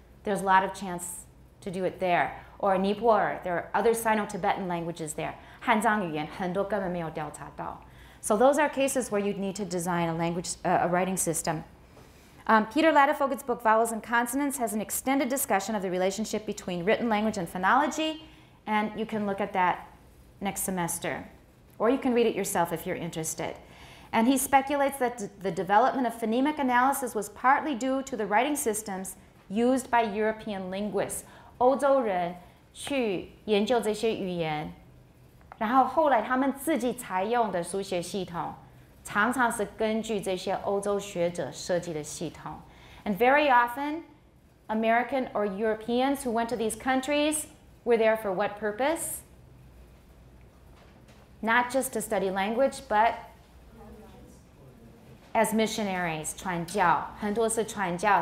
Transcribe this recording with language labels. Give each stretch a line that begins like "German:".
English: There's a lot of chance to do it there. Or Nipur, there are other Sino-Tibetan languages there.
Chinese: 汉藏语言很多根本没有调查到.
English: So those are cases where you'd need to design a language, a writing system. Peter Latifoget's book, Vowels and Consonants, has an extended discussion of the relationship between written language and phonology, and you can look at that next semester. Or you can read it yourself if you're interested. And he speculates that the development of phonemic analysis was partly due to the writing systems used by European linguists.
Chinese: 欧洲人去研究这些语言, 然后后来他们自己采用的书写系统, 常常是根据这些欧洲学者设计的系统.
English: And very often, American or Europeans who went to these countries were there for what purpose? Not just to study language, but as missionaries,
Chinese: 传教, 很多是传教.